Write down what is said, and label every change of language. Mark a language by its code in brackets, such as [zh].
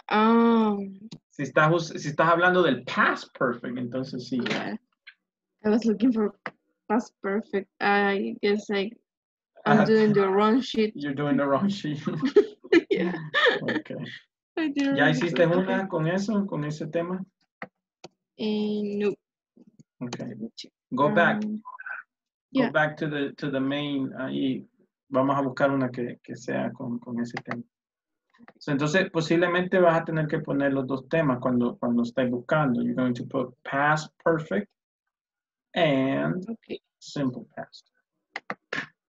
[es] Si estás hablando del past perfect, entonces sí. [en] I was looking for past perfect. I guess like I'm doing the wrong sheet. You're doing the wrong sheet. Yeah. Okay. [es] ¿Ya hiciste una con eso, con ese tema? No. [en] Okay. Go back. Yeah. Go back to the main. [es] Ahí vamos a buscar una que sea con ese tema. Entonces, posiblemente vas a tener que poner los dos temas cuando estés buscando. [en] You're going to put past perfect and simple past.